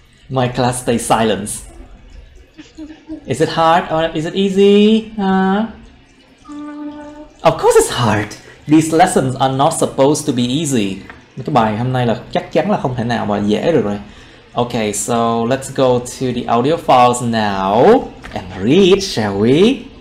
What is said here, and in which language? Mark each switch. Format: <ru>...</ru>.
<en>My class stays silent. Is it hard or is it easy? Of course it's hard. These lessons are not supposed to be easy.</en> <vi>Cái bài hôm nay là chắc chắn là không thể nào mà dễ được rồi.</vi> <en>Okay, so let's go to the audio files now and read, shall we?</en>